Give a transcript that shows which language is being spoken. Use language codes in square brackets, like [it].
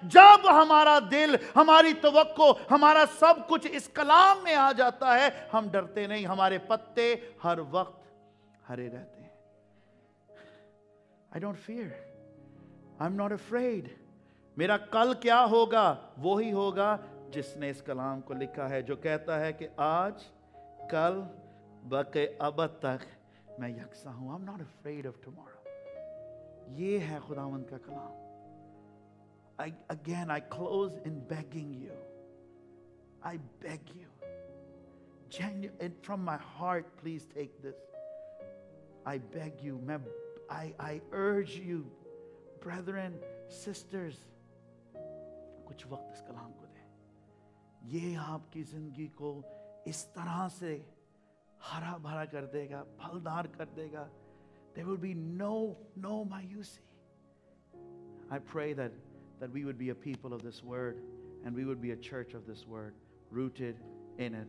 [hi] जब हमारा दिल, हमारी तवक्को, हमारा सब कुछ इस कलाम में आ जाता है, हम डरते नहीं, हमारे पत्ते हर वक्त हरे रहते। [en] I don't fear. I'm not afraid. [hi] मेरा कल क्या होगा? वो ही होगा जिसने इस कलाम को लिखा है, जो कहता है कि आज, कल, बके अब तक मैं यकसा हूं। [en] I'm not afraid of tomorrow. [hi] ये है खुदावंद का कलाम। [en] I close in begging you. I beg you. Genuine, from my heart, please take this. I beg you. I urge you, brethren, sisters, [hi] कुछ वक्त इस कलाम को दें। ये आपकी जिंदगी को इस तरह से हरा भरा कर देगा, फलदार कर देगा। [en] There will be no my UC. I pray that we would be a people of this word and we would be a church of this word, rooted in it.